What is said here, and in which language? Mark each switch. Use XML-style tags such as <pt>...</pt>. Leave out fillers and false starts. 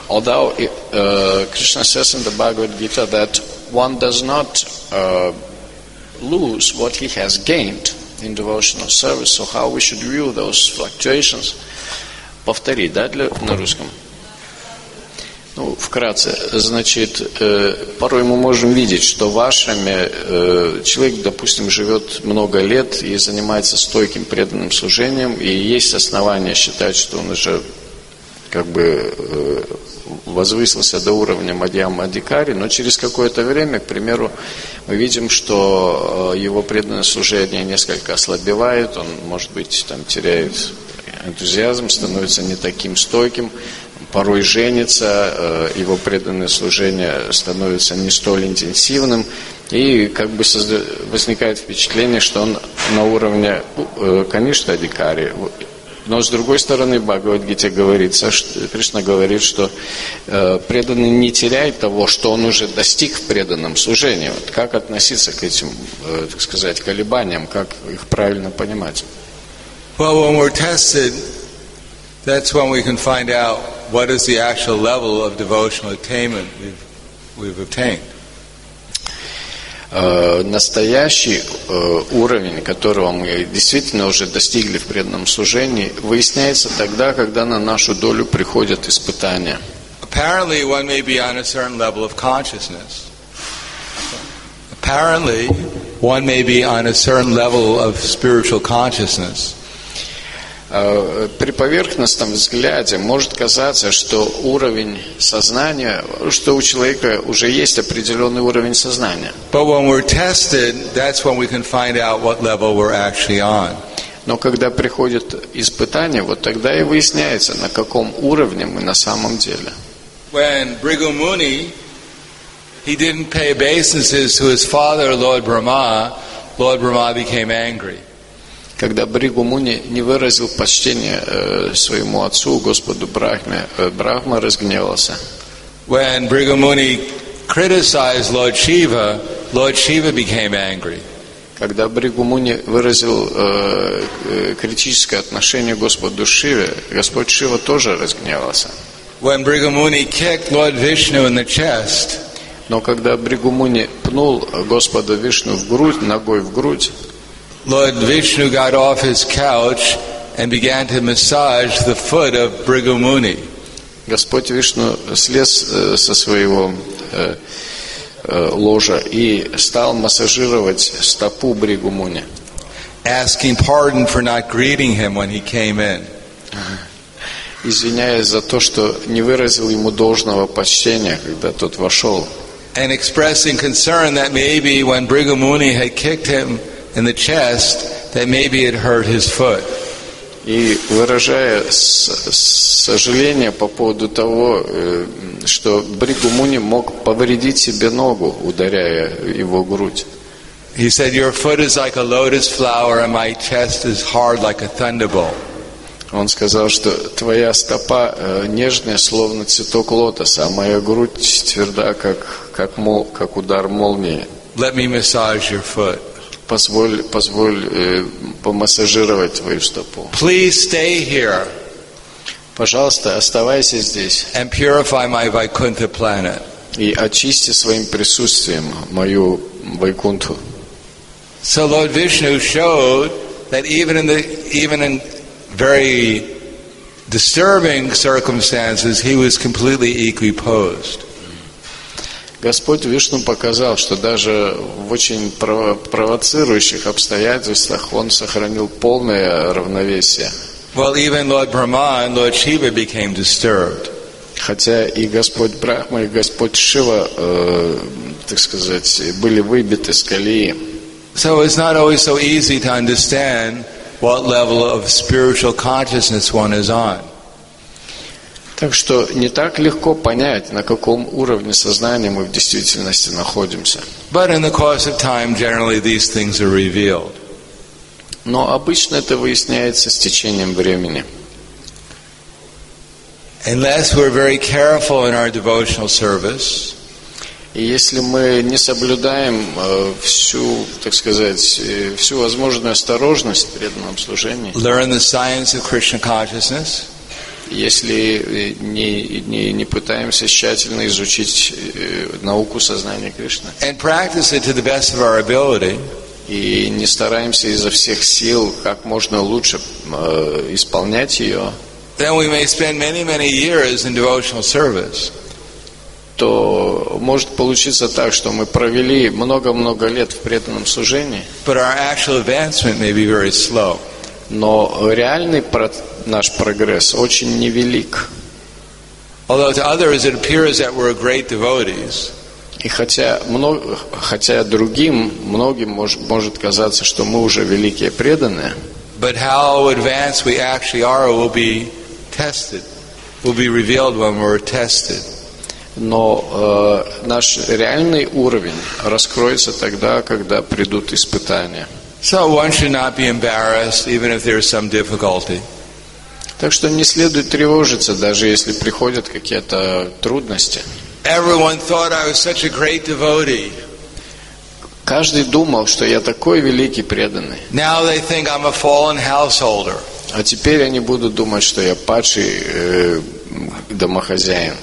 <en>Although Krishna says in the Bhagavad Gita that one does not lose what he has gained in devotional service, so how we should view those fluctuations?</en> <ru>Повтори, да, на русском. Ну, вкратце, значит, порой мы можем видеть, что в ашраме человек, допустим, живет много лет и занимается стойким преданным служением, и есть основания считать, что он уже как бы возвысился до уровня Мадьяма Адикари, но через какое-то время, к примеру, мы видим, что его преданное служение несколько ослабевает, он, может быть, там теряет энтузиазм, становится не таким стойким, порой женится, его преданное служение становится не столь интенсивным, и как бы возникает впечатление, что он на уровне, конечно, Адикари. Но с другой стороны, Бхагавад-гите говорится, Кришна говорит, что преданный не теряет того, что он уже достиг в преданном служении. Вот как относиться к этим, так сказать, колебаниям, как их правильно понимать?</ru> <en>Well, when we're tested, that's when we can find out what is the actual level of devotional attainment we've obtained.</en> <ru>настоящий уровень, которого мы действительно уже достигли в преданном служении, выясняется тогда, когда на нашу долю приходят испытания.</ru> <en>Apparently, one may be on a certain level of consciousness. Apparently, one may be on a certain level of spiritual consciousness.</en> <ru>При поверхностном взгляде может казаться, что уровень сознания, что у человека уже есть определенный уровень сознания.</ru> <en>But when we're tested, that's when we can find out what level we're actually on.</en> <ru>Но когда приходит испытание, вот тогда и выясняется, на каком уровне мы на самом деле.</ru> <en>When Bhrigu Muni, he didn't pay obeisances to his father, Lord Brahma became angry.</en> <ru>Когда Бригу Муни не выразил почтения своему отцу, Господу Брахме, Брахма разгневался.</ru> <en>When Bhrigu Muni criticized Lord Shiva, Lord Shiva became angry.</en> <ru>Когда Бригу Муни выразил критическое отношение Господу Шиве, Господь Шива тоже разгневался.</ru> <en>When Bhrigu Muni kicked Lord Vishnu in the chest,</en> <ru>но когда Бригу Муни пнул Господа Вишну в грудь, ногой в грудь,</ru> <en>Lord Vishnu got off his couch and began to massage the foot of Bhrigu Muni.</en> <ru>Господь Вишну слез со своего ложа и стал массажировать стопу Бригу Муни.</ru> <en>Asking pardon for not greeting him when he came in.</en> <ru>Извиняясь за то, что не выразил ему должного почтения, когда тот вошел.</ru> <en>And expressing concern that maybe when Bhrigu Muni had kicked him in the chest, that maybe it hurt his foot.</en> <ru>И выражая сожаление по поводу того, что Бригу Муни мог повредить себе ногу, ударяя его грудь.</ru> <en>He said, "Your foot is like a lotus flower, and my chest is hard like a thunderbolt."</en> <ru>Он сказал, что твоя стопа нежная, словно цветок лотоса, а моя грудь тверда, как удар молнии.</ru> <en>Let me massage your foot.</en> <ru>Позволь помассажировать твою стопу.</ru> <en>Please stay here.</en> <ru>Пожалуйста, оставайся здесь.</ru> <en>And purify my Vaikuntha planet.</en> <ru>И очисти своим присутствием мою Вайкунту.</ru> <en>So Lord Vishnu showed that even in very disturbing circumstances, he was completely equipoised.</en> <ru>Господь Вишну показал, что даже в очень провоцирующих обстоятельствах он сохранил полное равновесие.</ru> <en>Well, even Lord Brahma and Lord Shiva became disturbed.</en> <ru>Хотя и Господь Брахма, и Господь Шива, так сказать, были выбиты с колеи.</ru> <en>So it's not always so easy to understand what level of spiritual consciousness one is on.</en> <ru>Так что не так легко понять, на каком уровне сознания мы в действительности находимся.</ru> <en>But in the course of time, generally these things are revealed.</en> <ru>Но обычно это выясняется с течением времени.</ru> <en>Unless we're very careful in our devotional service,</en> <ru>и если мы не соблюдаем всю, так сказать, всю возможную осторожность в преданном служении,</ru> <en>learn the science of Krishna consciousness,</en> <ru>если не пытаемся тщательно изучить науку сознания Кришны,</ru> <en>and practice it to the best of our ability,</en> <ru>и не стараемся изо всех сил как можно лучше исполнять ее,</ru> <en>then we may spend many, many years in devotional service.</en> <ru>То может получиться так, что мы провели много-много лет в преданном служении,</ru> <en>but our actual advancement may be very slow.</en> <ru>Но реальный наш прогресс очень невелик.</ru> <en>Although to others it appears that we're great devotees.</en> <ru>И хотя другим, многим может казаться, что мы уже великие преданные.</ru> <en>But how advanced we actually are will be tested, will be revealed when we're tested.</en> <ru>Но наш реальный уровень раскроется тогда, когда придут испытания.</ru> <en>So one should not be embarrassed, even if there is some difficulty.</en> <ru>Так что не следует тревожиться, даже если приходят какие-то трудности.</ru> <en>Everyone thought I was such a great devotee.</en> <ru>Каждый думал, что я такой великий преданный.</ru> <en>Now they think I'm a fallen householder.</en> <ru>А теперь они будут думать, что я падший домохозяин.</ru>